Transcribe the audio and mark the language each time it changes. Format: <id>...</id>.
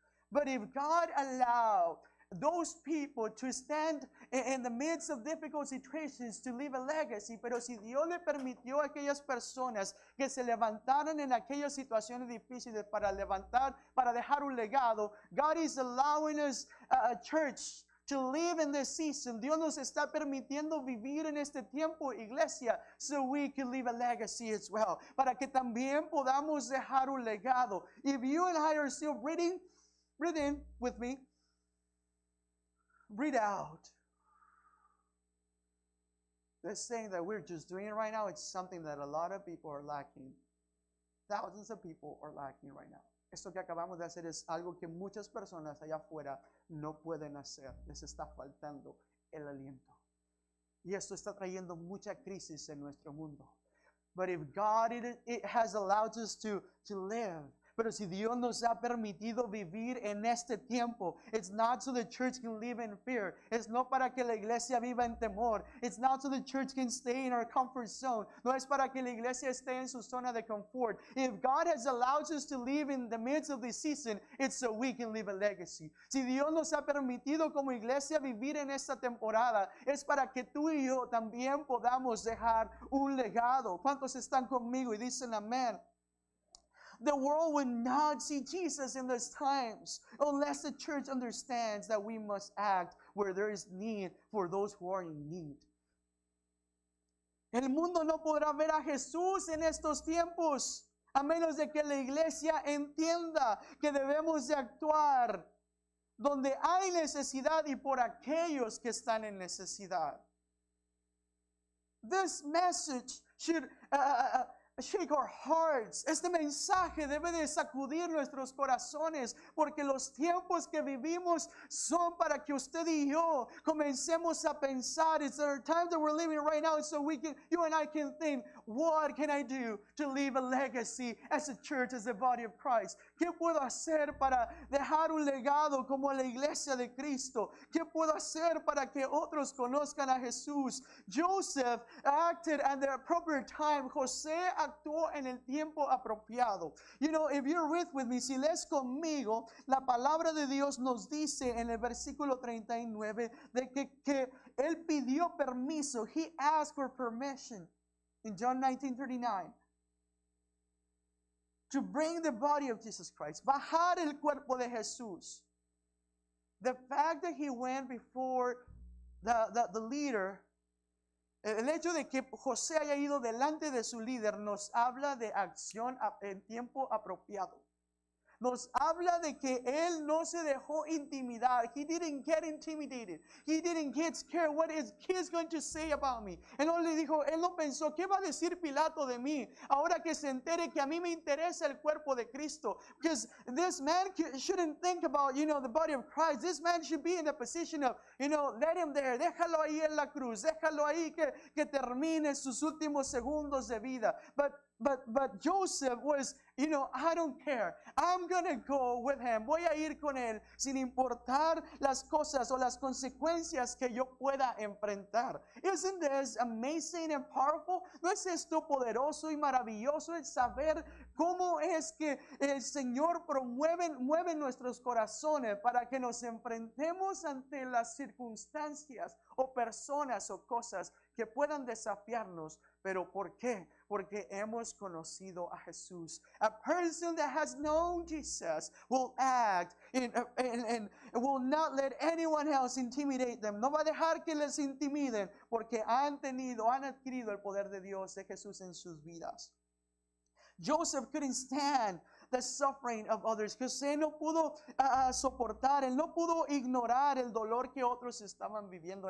<en>But if God allowed those people to stand in the midst of difficult situations to leave a legacy,</en> <es>pero si Dios le permitió a aquellas personas que se levantaran en aquellas situaciones difíciles para dejar un legado,</es> <en>God is allowing us a church to live in this season.</en> <es>Dios nos está permitiendo vivir en este tiempo, iglesia,</es> <en>so we can leave a legacy as well,</en> <es>para que también podamos dejar un legado.</es> <en>If you and I are still breathing with me, breathe out. This thing that we're just doing right now, it's something that a lot of people are lacking. Thousands of people are lacking right now.</en> <es>Esto que acabamos de hacer es algo que muchas personas allá afuera no pueden hacer. Les está faltando el aliento. Y esto está trayendo mucha crisis en nuestro mundo.</es> <en>But if God has allowed us to live,</en> <es>Pero si Dios nos ha permitido vivir en este tiempo,</es> <en>it's not so the church can live in fear.</en> <es>Es no para que la iglesia viva en temor.</es> <en>It's not so the church can stay in our comfort zone.</en> <es>No es para que la iglesia esté en su zona de confort.</es> <en>If God has allowed us to live in the midst of this season, it's so we can leave a legacy.</en> <es>Si Dios nos ha permitido como iglesia vivir en esta temporada, es para que tú y yo también podamos dejar un legado. ¿Cuántos están conmigo y dicen amén?</es> <en>The world will not see Jesus in those times unless the church understands that we must act where there is need for those who are in need.</en> <es>El mundo no podrá ver a Jesús en estos tiempos a menos de que la iglesia entienda que debemos de actuar donde hay necesidad y por aquellos que están en necesidad.</es> <en>This message should shake our hearts.</en> <es>Este mensaje debe de sacudir nuestros corazones, porque los tiempos que vivimos son para que usted y yo comencemos a pensar.</es> <en>It's our time that we're living right now, so we can, you and I can think, what can I do to leave a legacy as a church, as the body of Christ?</en> <es>¿Qué puedo hacer para dejar un legado como la iglesia de Cristo? ¿Qué puedo hacer para que otros conozcan a Jesús?</es> <en>Joseph acted at the appropriate time.</en> <es>José actuó en el tiempo apropiado.</es> <en>You know, if you're with me,</en> <es>si lees conmigo, la palabra de Dios nos dice en el versículo 39 de que él pidió permiso.</es> <en>He asked for permission in John 19:39 to bring the body of Jesus Christ,</en> <es>bajar el cuerpo de Jesús.</es> <en>The fact that he went before the leader,</en> <es>el hecho de que José haya ido delante de su líder, nos habla de acción en tiempo apropiado. Nos habla de que él no se dejó intimidar.</es> <en>He didn't get intimidated. He didn't get scared. What is kids going to say about me?</en> <es>Él no le dijo, él no pensó, ¿qué va a decir Pilato de mí? Ahora que se entere que a mí me interesa el cuerpo de Cristo.</es> <en>Because this man shouldn't think about, you know, the body of Christ. This man should be in a position of, you know, let him there.</en> <es>Déjalo ahí en la cruz. Déjalo ahí que termine sus últimos segundos de vida.</es> <en>But Joseph was, you know, I don't care. I'm going to go with him.</en> <es>Voy a ir con él sin importar las cosas o las consecuencias que yo pueda enfrentar.</es> <en>Isn't this amazing and powerful?</en> <es>¿No es esto poderoso y maravilloso el saber cómo es que el Señor mueve nuestros corazones para que nos enfrentemos ante las circunstancias o personas o cosas que puedan desafiarnos? ¿Pero por qué? Porque hemos conocido a Jesús.</es> <en>A person that has known Jesus will act and will not let anyone else intimidate them.</en> <es>No va a dejar que les intimiden porque han adquirido el poder de Dios, de Jesús en sus vidas.</es> <en>Joseph couldn't stand the suffering of others.</en> <es>José no pudo soportar, él no pudo ignorar el dolor que otros estaban viviendo.</es>